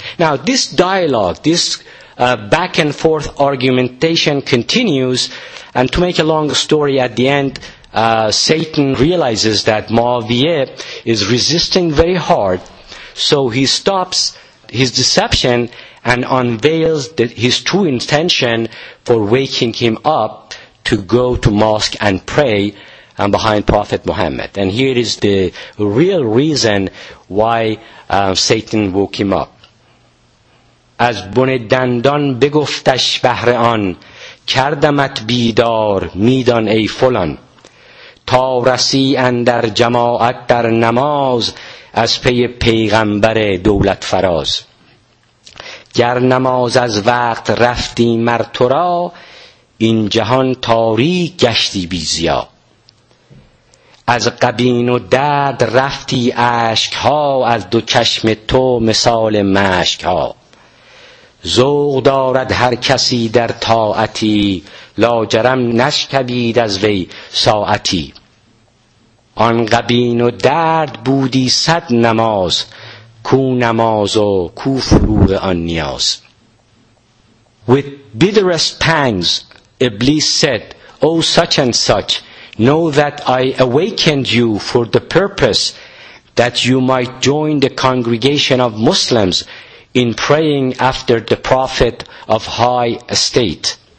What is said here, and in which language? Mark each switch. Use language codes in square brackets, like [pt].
[en] Now, this dialogue, this back and forth argumentation continues, and to make a long story, at the end, Satan realizes that Moabiah is resisting very hard, so he stops his deception and unveils his true intention for waking him up to go to mosque and pray behind Prophet Muhammad. And here is the real reason why Satan woke him up. [fa] از بن دندان بگفتش بهر آن کردمت بیدار میدان ای فلان تا رسی اندر جماعت در نماز از پی پیغمبر دولت فراز گر نماز از وقت رفتی مر تو را این جهان تاریک گشتی بی ضیا از غبین و درد رفتی اشک ها از دو چشم تو مثال مشک ها ذوق دارد هر کسی در طاعتی لاجرم نشکبید از وی ساعتی آن غبین و درد بودی صد نماز کو نماز و کو فروغ آن نیاز. [en] With bitterest pangs Iblis said, O such and such, know that I awakened you for the purpose that you might join the congregation of Muslims in praying after the Prophet of high estate.